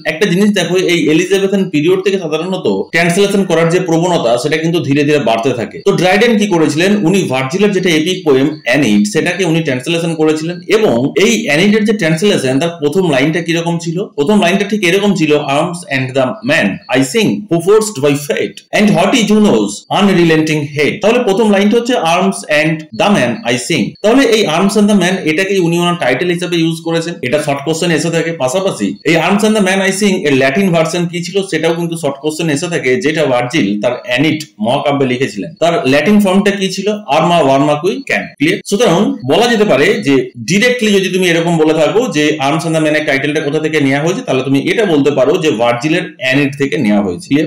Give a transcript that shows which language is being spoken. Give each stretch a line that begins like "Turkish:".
Bangla: একটা জিনিস দেখো, এই এলিজাবেথান পিরিয়ড থেকে সাধারণত ট্রান্সলেশন করার যে প্রবণতা সেটা কিন্তু ধীরে ধীরে বাড়তে থাকে। তো ড্রাইডেন কি করেছিলেন, উনি ভার্জিলের যেটা এপিক পোয়েম অ্যানিড সেটাকে উনি ট্রান্সলেশন করেছিলেন, এবং এই অ্যানিডের যে ট্রান্সলেশন তার প্রথম লাইনটা কিরকম ছিল, প্রথম লাইনটা ঠিক এরকম ছিল, arm
English: arms and the man, I sing, who forced by fate and haughty Juno's unrelenting hate.
Bangla: তাহলে প্রথম লাইনটা হচ্ছে
English: arms and the man, I sing.
Bangla: তাহলে এই arms and the man এটাকে উনি ওনার টাইটেল হিসেবে ইউজ করেছেন, এটা শর্ট কোশ্চেন এসে থাকে পাশাপাশি। এই
English: arms and the man, I sing
Bangla: এর ল্যাটিন ভার্সন কি ছিল সেটাও কিন্তু শর্ট কোশ্চেন এসে থাকে, যেটা ভার্জিল তার অ্যানিট মহাকাব্যে লিখেছিলেন। তার ল্যাটিন ফর্মটা কি ছিল?
Latin: আর্মা ওয়ার্মা কুই ক্যান।
Bangla: ক্লিয়ার? সুতরাং বলা যেতে পারে যে ডিরেক্টলি যদি তুমি এরকম বলে থাকো যে আর্মস অ্যান্ড দ্য ম্যানের টাইটেলটা কোথা থেকে নেওয়া হয়েছে, তাহলে তুমি এটা বলতে পারো যে ভার্জিলের অ্যানিট থেকে নেওয়া হয়েছে।